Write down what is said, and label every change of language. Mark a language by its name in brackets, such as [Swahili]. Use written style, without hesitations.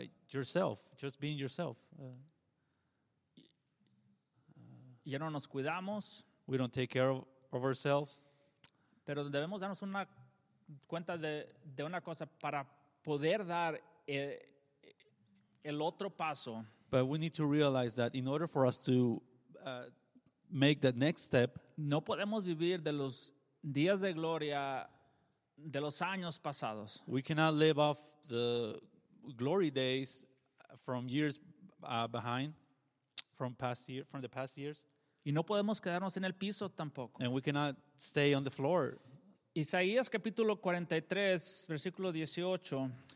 [English] Yourself, just being yourself. [Spanish] Ya no nos cuidamos. [English] We don't take care of ourselves. [Spanish] Pero debemos darnos una cuenta de una cosa para poder dar el otro paso. [English] But we need to realize that in order for us to make that next step, [Spanish] no podemos vivir de los días de gloria de los años pasados. [English] We cannot live off the glory days from years behind, from past year, from the past years. [Spanish] Y no podemos quedarnos en el piso tampoco. [English] And we cannot stay on the floor. [Spanish] Isaías capítulo 43, versículo 18.